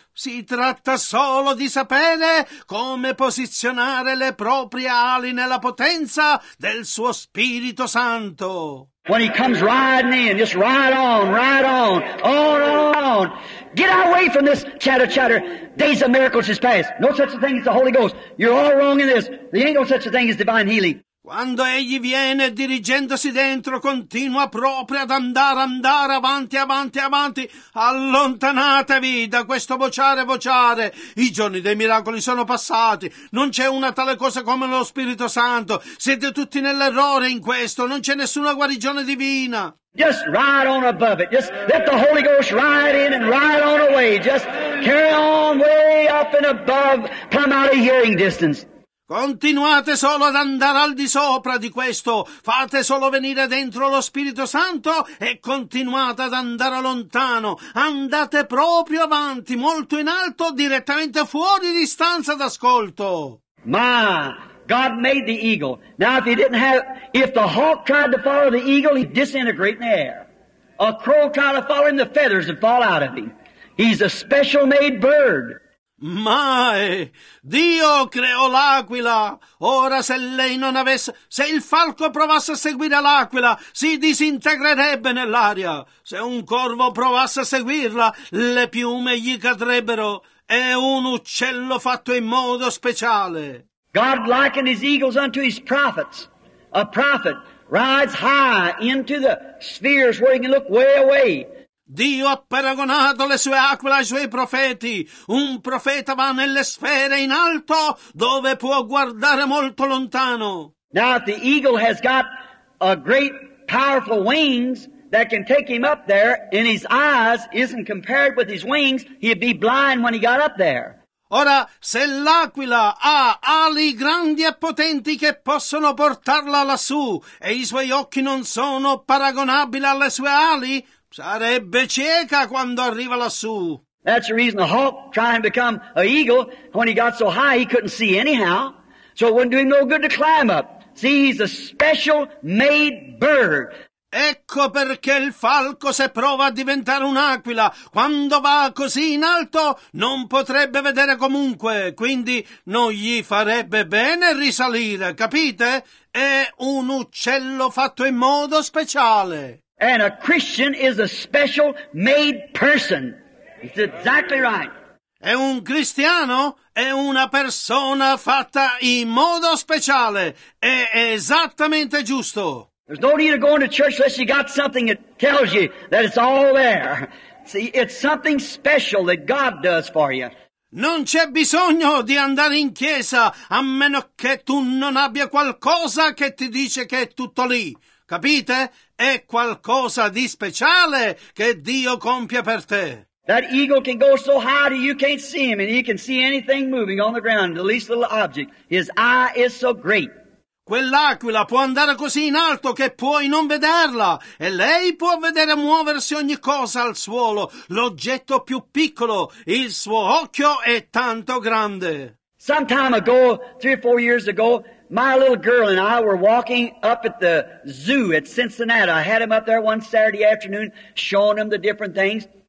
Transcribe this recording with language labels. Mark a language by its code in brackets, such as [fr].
[it] Si tratta solo di sapere come posizionare le proprie ali nella potenza del suo Spirito Santo. [en] When he comes riding in, just ride on, ride on, on, on. Get away from this chatter, chatter. Days of miracles is past. No such a thing as the Holy Ghost. You're all wrong in this. There ain't no such a thing as divine healing. [it] Quando egli viene, dirigendosi dentro, continua proprio ad andare, andare, avanti, avanti, avanti. Allontanatevi da questo vociare, vociare. I giorni dei miracoli sono passati. Non c'è una tale cosa come lo Spirito Santo. Siete tutti nell'errore in questo. Non c'è nessuna guarigione divina. [en] Just ride on above it. Just let the Holy Ghost ride in and ride on away. Just carry on way up and above. Come out of hearing distance. [it] Continuate solo ad andare al di sopra di questo, fate solo venire dentro lo Spirito Santo e continuate ad andare lontano, andate proprio avanti, molto in alto, direttamente fuori distanza d'ascolto. Ma [en] God made the eagle. Now if he didn't have, if the hawk tried to follow the eagle, he'd disintegrate in the air. A crow tried to follow him, the feathers would fall out of him. He's a special made bird. [it] Mai! Dio creò l'aquila! Ora, se lei non avesse... Se il falco provasse a seguire l'aquila, si disintegrerebbe nell'aria! Se un corvo provasse a seguirla, le piume gli cadrebbero! È un uccello fatto in modo speciale! [en] God likened his eagles unto his prophets. A prophet rides high into the spheres where he can look way away. [it] Dio ha paragonato le sue aquile ai suoi profeti. Un profeta va nelle sfere in alto dove può guardare molto lontano. [en] Now if the eagle has got a great powerful wings that can take him up there, and his eyes isn't compared with his wings, he'd be blind when he got up there. [it] Ora, se l'aquila ha ali grandi e potenti che possono portarla lassù, e i suoi occhi non sono paragonabili alle sue ali, sarebbe cieca quando arriva lassù. [en] That's the reason the hawk trying to become an eagle, when he got so high he couldn't see anyhow, so it wouldn't do him no good to climb up. See, he's a special made bird. [it] Ecco perché il falco, se prova a diventare un'aquila, quando va così in alto, non potrebbe vedere comunque, quindi non gli farebbe bene risalire, capite? È un uccello fatto in modo speciale. [en] And a Christian is a special made person. It's exactly right. [it] E un cristiano è una persona fatta in modo speciale. È esattamente giusto. [en] There's no need of going to church unless you got something that tells you that it's all there. See, it's something special that God does for you. [it] Non c'è bisogno di andare in chiesa a meno che tu non abbia qualcosa che ti dice che è tutto lì. Capite? È qualcosa di speciale che Dio compie per te. [en] That eagle can go so high that you can't see him, and he can see anything moving on the ground, the least little object. His eye is so great. [it] Quell'aquila può andare così in alto che puoi non vederla, e lei può vedere muoversi ogni cosa al suolo, l'oggetto più piccolo, il suo occhio è tanto grande. [en] Some time ago, 3 or 4 years ago, my little girl and I were walking up at the zoo at Cincinnati. I had him up there one Saturday afternoon, showing him the different things.